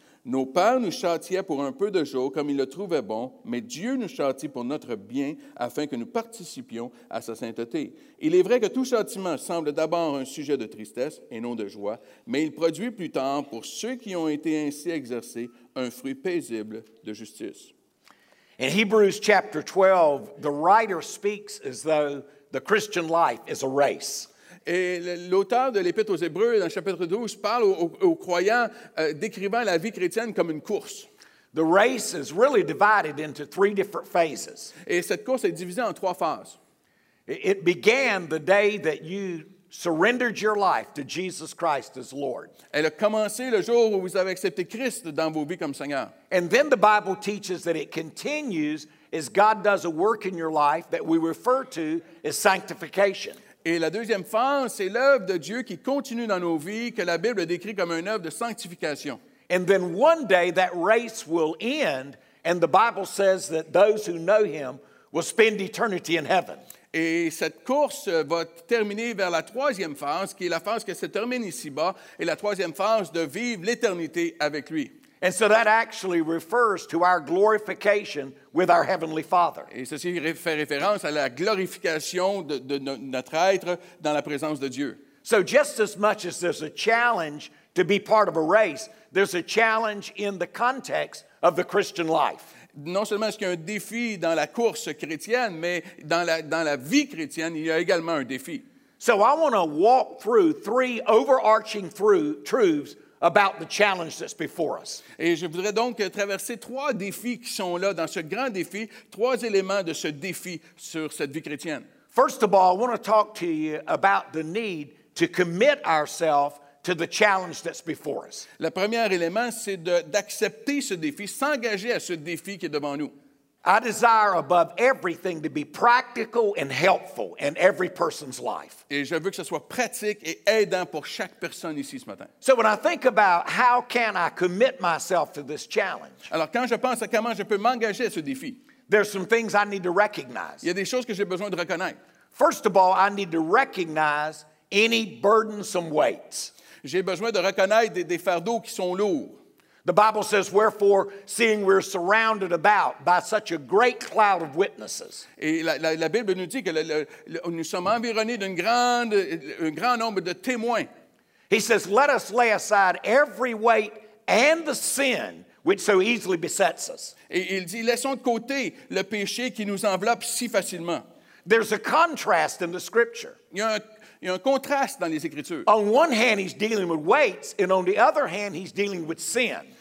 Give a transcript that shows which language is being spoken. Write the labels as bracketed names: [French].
[French] Nos pères nous châtiaient pour un peu de jours, comme ils le trouvaient bon, mais Dieu nous châtie pour notre bien, afin que nous participions à sa sainteté. Il est vrai que tout châtiment semble d'abord un sujet de tristesse et non de joie, mais il produit plus tard, pour ceux qui ont été ainsi exercés, un fruit paisible de justice. [English] In Hebrews chapter 12, the writer speaks as though the Christian life is a race. [French] Et l'auteur de l'Épître aux Hébreux, dans le chapitre 12, parle aux croyants décrivant la vie chrétienne comme une course. [English] The race is really divided into three different phases. [French] Et cette course est divisée en trois phases. [English] It began the day that you surrendered your life to Jesus Christ as Lord. [French] Elle a commencé le jour où vous avez accepté Christ dans vos vies comme Seigneur. [English] And then the Bible teaches that it continues as God does a work in your life that we refer to as sanctification. [French] Et la deuxième phase, c'est l'œuvre de Dieu qui continue dans nos vies, que la Bible décrit comme une œuvre de sanctification. [English] And then one day that race will end, and the Bible says that those who know Him will spend eternity in heaven. [French] Et cette course va terminer vers la troisième phase, qui est la phase qui se termine ici-bas, et la troisième phase de vivre l'éternité avec lui. [English] And so that actually refers to our glorification with our Heavenly Father. [French] Et ceci fait référence à la glorification de notre être dans la présence de Dieu. [English] So just as much as there's a challenge to be part of a race, there's a challenge in the context of the Christian life. [French] Non seulement est-ce qu'il y a un défi dans la course chrétienne, mais dans la vie chrétienne, il y a également un défi. [English] So I want to walk through three overarching truths about the challenge that's before us. [French] Et je voudrais donc traverser trois défis qui sont là dans ce grand défi, trois éléments de ce défi sur cette vie chrétienne. [English] First of all, I want to talk to you about the need to commit ourselves to the challenge that's before us. [French] Le premier élément, c'est d'accepter ce défi, s'engager à ce défi qui est devant nous. [English] I desire above everything to be practical and helpful in every person's life. [French] Et je veux que ce soit pratique et aidant pour chaque personne ici ce matin. [English] So when I think about how can I commit myself to this challenge? [French] Alors quand je pense à comment je peux m'engager à ce défi. [English] There's some things I need to recognize. [French] Il y a des choses que j'ai besoin de reconnaître. [English] First of all, I need to recognize any burdensome weights. [French] J'ai besoin de reconnaître des fardeaux qui sont lourds. [English] The Bible says, wherefore, seeing we're surrounded about by such a great cloud of witnesses. [French] Et la Bible nous dit que nous sommes environnés d'une un grand nombre de témoins. [English] He says, let us lay aside every weight and the sin which so easily besets us. [French] Et il dit, laissons de côté le péché qui nous enveloppe si facilement. [English] There's a contrast in the scripture. [French] Il y a un contraste dans les Écritures. [English] On one hand, he's dealing with weights, and on the other hand, he's dealing with sin.